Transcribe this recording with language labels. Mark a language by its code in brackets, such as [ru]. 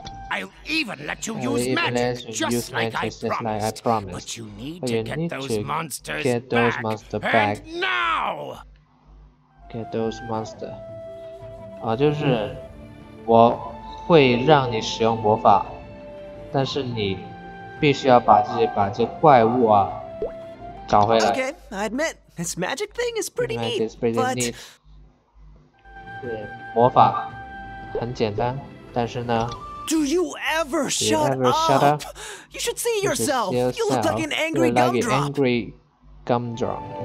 [en] I'll even let you use magic, just like I promised. But you need to get those monsters back. And now, get those monsters. [zh] 啊，就是我会让你使用魔法，但是你必须要把这怪物啊找回来。 [en] Okay, I admit this magic thing is pretty neat, but [zh] 对，魔法很简单，但是呢 [en] Do you ever shut up? You should see yourself. You look like an angry gumdrop.